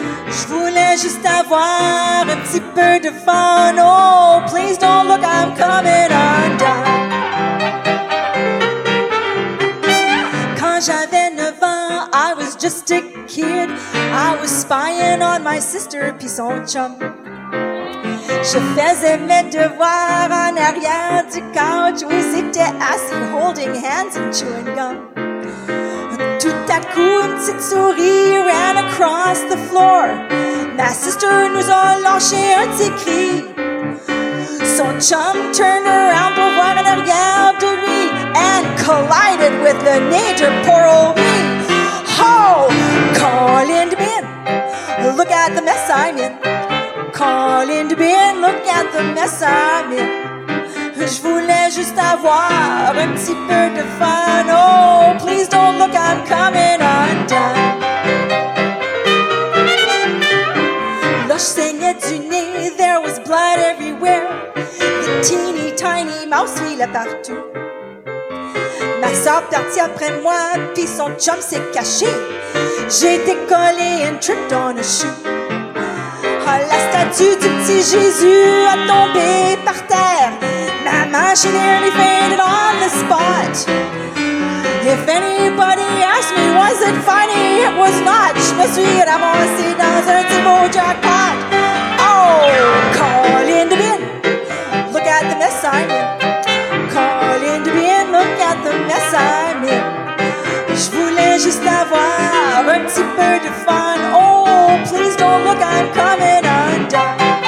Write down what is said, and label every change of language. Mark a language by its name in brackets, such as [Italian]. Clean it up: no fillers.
[French] Je voulais juste avoir un petit peu de fun. [English] Oh, please don't look, I'm coming undone. [French] Quand j'avais 9 ans, [English] I was just a kid. I was spying on my sister, [French] puis son chum. Je faisais mes devoirs en arrière du couch. Oui, c'était assis, [English] holding hands and chewing gum. [French] Tout à coup, une petite souris [English] ran across the floor. [French] Ma sister nous a lâché un petit cri. [English] Son chum turned around [French] pour voir en arrière de lui [English] and collided with the neighbor, poor old me. Ho! Call in to Ben. Look at the mess I'm in. Call in to Ben. Look at the mess I'm in. [French] Je voulais juste avoir un petit peu de fun. [English] Oh, please don't look, I'm coming undone. [French] Là, je saignais du nez, [English] there was blood everywhere. The teeny tiny mouse [French] filait partout. Ma soeur partit après moi, puis son chum s'est caché. J'ai décollé [English] and tripped on a shoe. [French] Ah, la statue du petit Jésus a tombé par terre. Ma chaise [English] nearly fainted on the spot. If anybody asked me, was it funny? It was not. [French] Je me suis ramassé dans un petit beau jackpot. [English] Oh, call in to Ben. Look at the mess I'm in. Call in to Ben. Look at the mess I'm in. [French] Je voulais juste avoir un petit peu de fun. [English] Oh, please don't look, I'm coming undone.